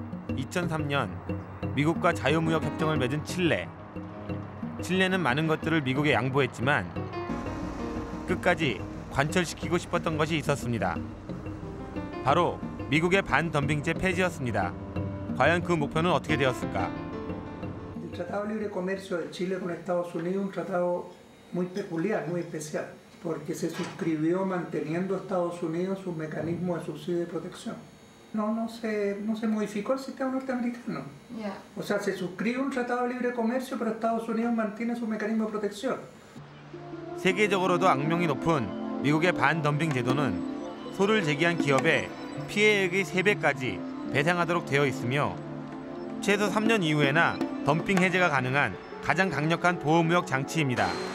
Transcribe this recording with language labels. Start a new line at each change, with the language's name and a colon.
Korean: 2003년 미국과 자유무역협정을 맺은 칠레. 칠레는 많은 것들을 미국에 양보했지만 끝까지 관철시키고 싶었던 것이 있었습니다. 바로 미국의 반덤핑제 폐지였습니다. 과연 그 목표는 어떻게 되었을까?
Spanish: El Tratado de Libre Comercio de Chile con Estados Unidos es un tratado muy peculiar, muy especial, porque se suscribió manteniendo Estados Unidos un mecanismo de subsidio y protección. No se modificó el sistema norteamericano. Yeah. O sea, se suscribe un tratado de libre comercio, pero Estados Unidos mantiene su mecanismo de protección.
Korean: 세계적으로도 악명이 높은 미국의 반덤핑 제도는 소를 제기한 기업에 피해액의 3배까지 배상하도록 되어 있으며 최소 3년 이후에나 덤핑 해제가 가능한 가장 강력한 보호무역 장치입니다.